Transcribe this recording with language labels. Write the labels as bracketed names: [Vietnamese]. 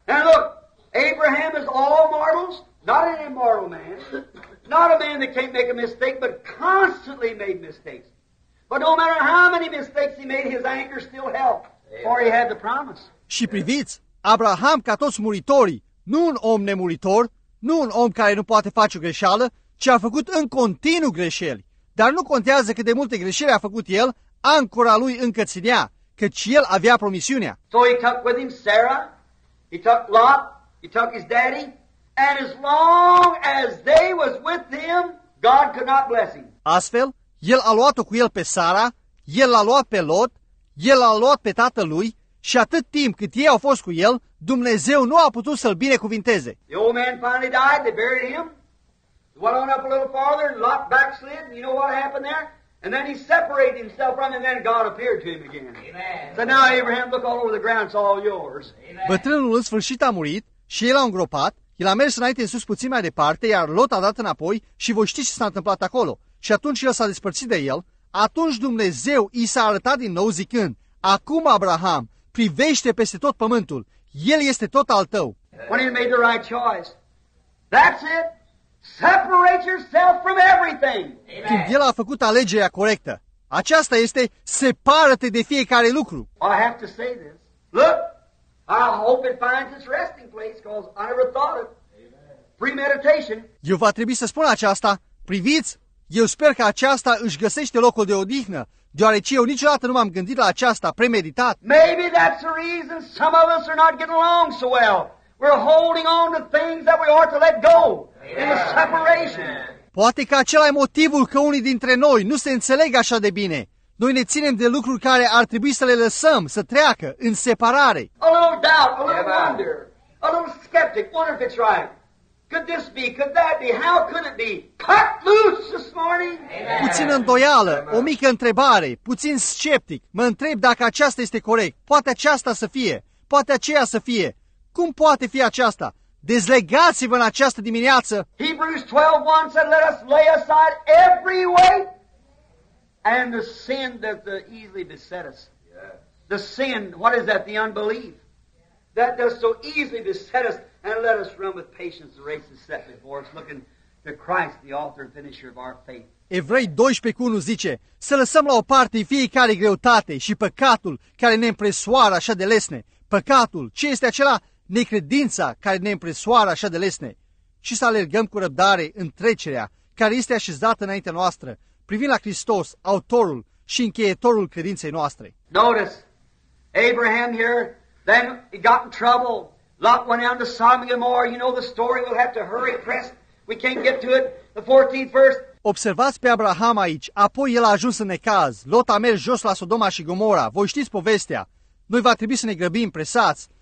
[English] And look, Abraham is all mortals, not an immortal man, not a man that can't make a mistake, but constantly made mistakes. But no matter how many mistakes he made, his anchor still held, for he had the promise. [Romanian] Și priviți, Abraham, ca toți muritorii, nu un om nemuritor, nu un om care nu poate face o greșeală, ci a făcut în continuu greșeli. Dar nu contează cât de multe greșeli a făcut el, ancora lui încă ținea, căci el avea promisiunea. [English] So he took with him Sarah, he took Lot, he took his daddy, and as long as they was with him, God could not bless him. [Romanian] Astfel, el a luat-o cu el pe Sara, el l-a luat pe Lot, el l-a luat pe tatăl lui, și atât timp cât ei au fost cu el, Dumnezeu nu a putut să-l binecuvinteze. [English] The old man finally died, they buried him. He went on up a little farther, and Lot backslid, you know what happened there? And then he separated himself from him, and then God appeared to him again. Amen. So now Abraham, look all over the ground, it's all yours. Amen. [Romanian] Bătrânul în sfârșit a murit și el a îngropat, el a mers înainte în sus puțin mai departe, iar Lot a dat înapoi și voi știți ce s-a întâmplat acolo. Și atunci el s-a despărțit de el, atunci Dumnezeu i s-a arătat din nou zicând, acum Abraham, privește peste tot pământul. El este tot al tău. [English] When he made the right choice. That's it. Separate yourself from everything. Amen. [Romanian] Când el a făcut alegerea corectă. Aceasta este, separă-te de fiecare lucru. [English] I have to say this. Look, I hope it finds its resting place because I never thought of premeditation. [Romanian] Eu va trebui să spun aceasta. Priviți, eu sper că aceasta își găsește locul de odihnă. Deoarece eu niciodată nu m-am gândit la aceasta premeditat. [English] Maybe that's the reason some of us are not getting along so well. We're holding on to things that we ought to let go. In the separation. [Romanian] Poate că acela e motivul că unii dintre noi nu se înțeleg așa de bine. Noi ne ținem de lucruri care ar trebui să le lăsăm să treacă în separare. [English] A little doubt, a little wonder, a little skeptic, wonder if it's right. Could this be? Could that be? How could it be? Cut loose this morning. Amen. [Romanian] Puțin îndoială, o mică întrebare, puțin sceptic. Mă întreb dacă aceasta este corect. Poate aceasta să fie. Poate aceea să fie. Cum poate fi aceasta? Dezlegați-vă în această dimineață. [English] Hebrews 12:1 said, let us lay aside every weight and the sin that the easily beset us. The sin, what is that? The unbelief. That does so easily beset us. And let us run with patience the race is set before us, looking to Christ, the author and finisher of our faith. [Romanian] Evrei 12:1 zice, să lăsăm la o parte fiecare greutate și păcatul care ne împresoară așa de lesne. Păcatul, ce este acela? Necredința care ne împresoară așa de lesne. Și să alergăm cu răbdare în trecerea care este așezată înaintea noastră, privind la Hristos, autorul și încheietorul credinței noastre. [English] Notice, Abraham here, then he got in trouble. Lot went down to Sodom and Gomorrah. You know the story, we'll have to hurry, press. We can't get to it. The 14th verse. [Romanian] Observați pe Abraham aici, apoi el a ajuns în necaz. Lot a mers jos la Sodoma și Gomora. Voi știți povestea. Noi va trebui să ne grăbim, presați.